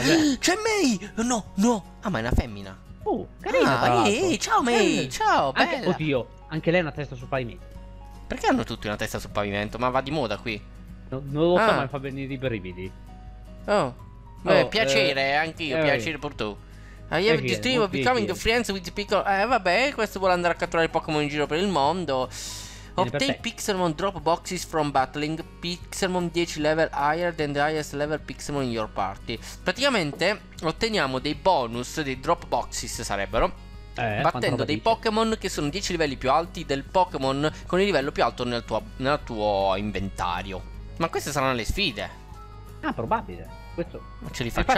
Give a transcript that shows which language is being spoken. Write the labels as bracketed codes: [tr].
[it] C'è May! No. Ah, ma è una femmina. Carina. Ciao May, ciao, bella. Oddio, anche lei ha una testa sul pavimento. Perché hanno tutti una testa sul pavimento? Ma va di moda qui. Non lo so, ma fa venire i brividi. Oh, piacere, anch'io, piacere per tu. [en] I have the dream of becoming friends with Piccolo. [it] Vabbè, questo vuole andare a catturare Pokémon in giro per il mondo. [en] Obtain Pixelmon drop boxes from battling Pixelmon 10 level higher than the highest level Pixelmon in your party. [it] Praticamente otteniamo dei bonus, dei drop boxes sarebbero, battendo dei Pokémon che sono 10 livelli più alti del Pokémon con il livello più alto nel tuo inventario. Ma queste saranno le sfide. Ah, probabile. Questo. Ma ce li facciamo.